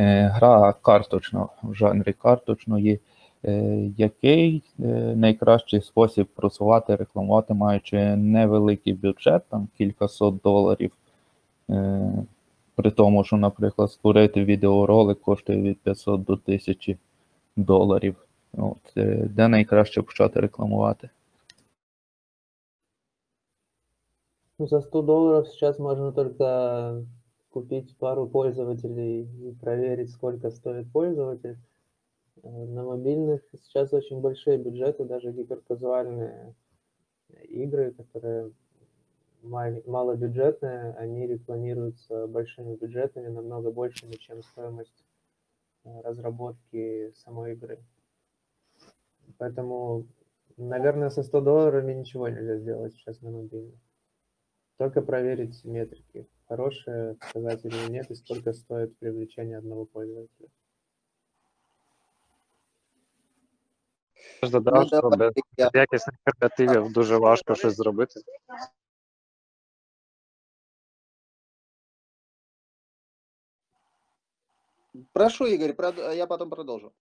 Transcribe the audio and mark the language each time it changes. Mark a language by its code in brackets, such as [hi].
[uk] Гра карточна, в жанрі карточної. Який найкращий спосіб просувати, рекламувати, маючи невеликий бюджет, там кількасот доларів, при тому, що, наприклад, створити відеоролик коштує від 500 до 1000 доларів. От, де найкраще почати рекламувати? Ну, за 100 доларів зараз можна тільки купити пару [ru] пользователей [uk] і перевірити, скільки стоїть [ru] пользователь. На мобильных сейчас очень большие бюджеты, даже гиперказуальные игры, которые малобюджетные, они рекламируются большими бюджетами, намного большими, чем стоимость разработки самой игры. Поэтому, наверное, со 100 долларами ничего нельзя сделать сейчас на мобильных. Только проверить метрики, хорошие показатели или нет, и сколько стоит привлечение одного пользователя. [uk] Додав, ну, що без якісних креативів дуже важко щось зробити. Прошу, Ігор, я потім продовжу.